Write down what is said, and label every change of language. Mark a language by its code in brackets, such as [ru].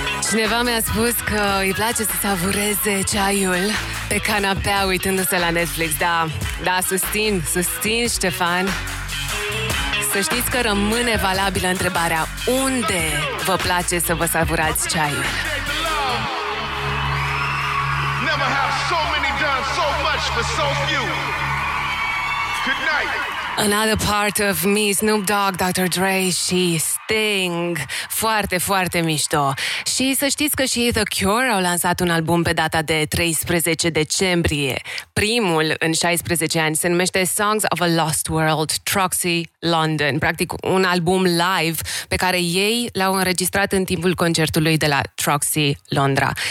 [ro] Cineva mi-a spus că îi place să savureze ceaiul pe canapea uitându-se la Netflix, da, da, susțin, Ștefan. Să știți că rămâne valabilă întrebarea, unde vă place să vă savurați ceaiul? [en] Never have so many done so much for so few. Good night. Another part of me, Snoop Dogg, Dr. [ro] Dre și Sting. Foarte, foarte mișto. Și să știți că și The Cure au lansat un album pe data de 13 decembrie. Primul în 16 ani se numește Songs of a Lost World, Troxy London. Practic un album live pe care ei l-au înregistrat în timpul concertului de la Troxy Londra.